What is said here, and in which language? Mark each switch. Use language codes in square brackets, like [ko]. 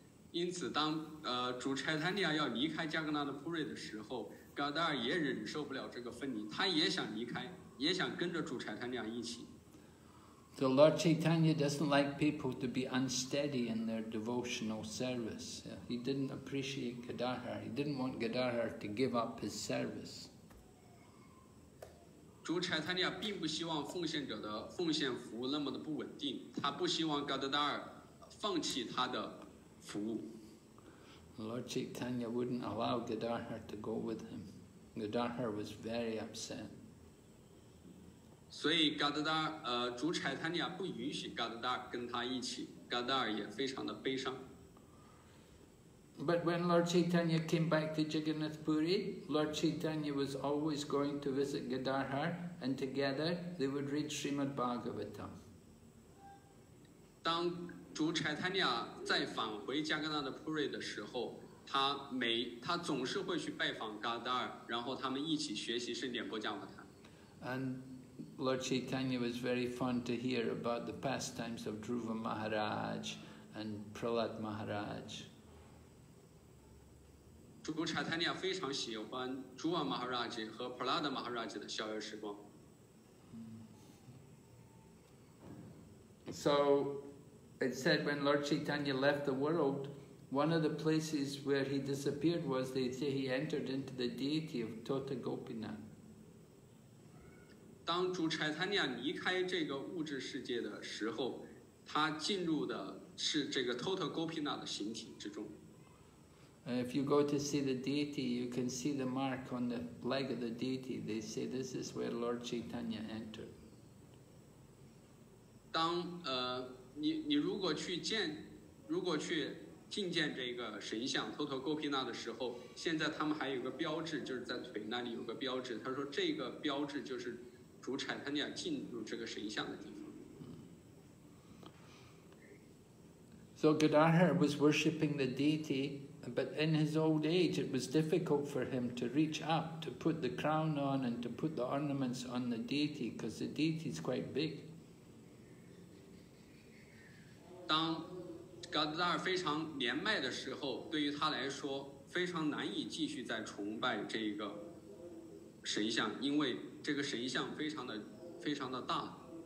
[zh] 因此当主柴坦尼亚要离开江格纳的普瑞的时候，噶达尔也忍受不了这个分离，他也想离开。也想跟着主柴坦尼亚一起。 [en] So Lord Chaitanya doesn't like people to be unsteady in their devotional service. He didn't appreciate Gadarhar. He didn't want Gadarhar to give up his service. [zh] 主柴坦尼亚并不希望奉献者的奉献服务那么的不稳定，他不希望噶达尔放弃他的服务。 [en] Lord Chaitanya wouldn't allow Gadarhar to go with him. Gadarhar was very upset. [zh] 所以嘎达达主柴坦尼亚不允许嘎达达跟他一起，嘎达尔也非常的悲伤。 [en] But when Lord Chaitanya came back to Jagannath Puri, Lord Chaitanya was always going to visit Gadarhar, and together they would read Srimad Bhagavatam. [zh] 当主柴坦尼亚再返回加格纳的普瑞的时候，他总是会去拜访嘎达尔，然后他们一起学习圣典波迦瓦坛。 [en] Lord Chaitanya was very fond to hear about the pastimes of Dhruva Maharaj and Prahlad Maharaj. [zh] 主公查坦尼亚非常喜欢朱瓦马哈拉吉和普拉达马哈拉吉的逍遥时光。 [en] So it said when Lord Chaitanya left the world, one of the places where he disappeared was they say he entered into the deity of Tota Gopinath. [zh] 当主柴坦尼亚离开这个物质世界的时候，他进入的是这个 Tota Gopinath 的形体之中。 [en] If you go to see the deity, you can see the mark on the leg of the deity. They say this is where Lord Chaitanya entered. [zh] 当你如果去见，如果去觐见这个神像 Tota Gopinath 的时候，现在他们还有个标志，就是在腿那里有个标志。他说这个标志就是。主柴坦尼亚进入这个神像的地方。 [en] So Gadarhar was worshipping the deity, but in his old age it was difficult for him to reach up to put the crown on and to put the ornaments on the deity because the deity is quite big. [zh] 当 Gadarhar 非常年迈的时候，对于他来说非常难以继续再崇拜这一个神像，因为这个神像非常的大。